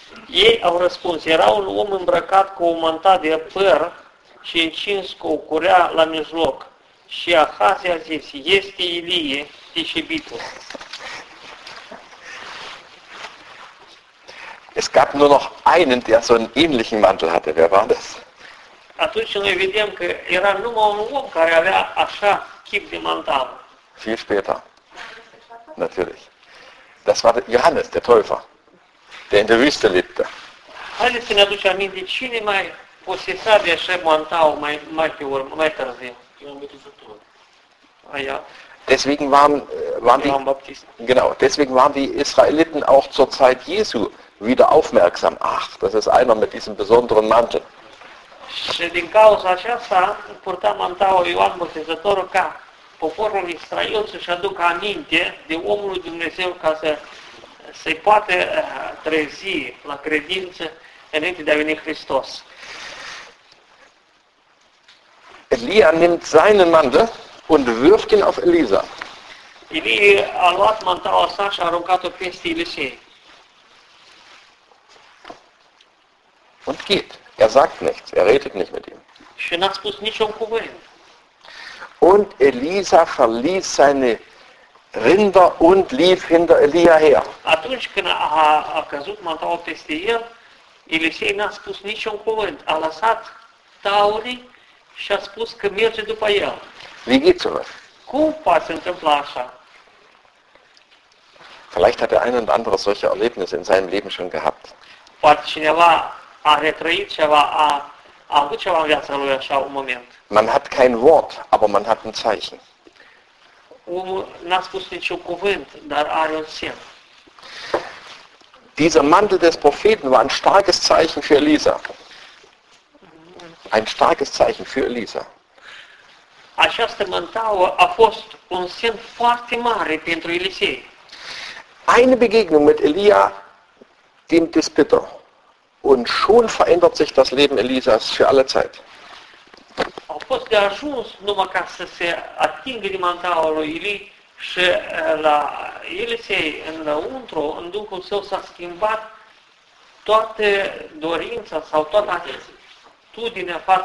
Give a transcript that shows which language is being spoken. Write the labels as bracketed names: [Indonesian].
[Romanian] Ei au răspuns, era un om îmbrăcat cu o manta de păr și încins cu o curea la mijloc. Și Ahaz a zis, este Ilie, Tisbitul. [German] Es gab nur noch einen, der so einen ähnlichen Mantel hatte. Wer war das? [Romanian] Atunci noi vedem că era numai un om care avea așa chip de mantală. [German] Viel später. Natürlich. Das war Johannes, der Täufer, der in der Wüste lebte. [Romanian] Haideți să ne aduce aminte, cine mai posesa de așa mantală mai pe urmă, mai târziu? Ioan Botezătorul. [German] Deswegen waren die, genau, deswegen waren die Israeliten auch zur Zeit Jesu wieder aufmerksam. Ach, das ist einer mit diesem besonderen Mantel. [Romanian] Și din cauza aceasta purta mantaua Ioan Botezătorul ca poporul Israel să-și aducă aminte de omul lui Dumnezeu ca să-i poată trezi la credință înainte de a veni Hristos. [German] Elia nimmt seinen Mantel und wirft ihn auf Elisa. [Romanian] Elie a luat mantaua sa și a aruncat-o peste Elisei. [German] Und geht. Er sagt nichts. Er redet nicht mit ihm. [Romanian] Și n-a spus niciun cuvânt. [German] Und Elisa verließ seine Rinder und lief hinter Elia her. [Romanian] Atunci când a căzut mantaua peste el, Elisei n-a spus niciun cuvânt. A lăsat taurii și a spus că merge după el. [German] Wie geht sowas? [Romanian] Cum poate se întâmpla așa? [German] Vielleicht hat der eine und andere solche Erlebnisse in seinem Leben schon gehabt. [Romanian] Poate cineva a retrăit ceva, a avut ceva în viața lui așa un moment. [German] Man hat kein Wort, aber man hat ein Zeichen. [Romanian] Omul n-a spus niciun cuvânt, dar are un semn. [German] Dieser Mantel des Propheten war ein starkes Zeichen für Elisa. Ein starkes Zeichen für Elisa. [Romanian] Această mantaua a fost un semn foarte mare pentru Elisei. [German] Eine Begegnung mit Elia, dem Disputer. Und schon verändert sich das Leben Elisas für alle Zeit. [Romanian] A fost de ajuns numai ca să se atingă de mantaua lui Elie și la Elisei înăuntru, în Duhul său s-a schimbat toată dorința sau toată atenția.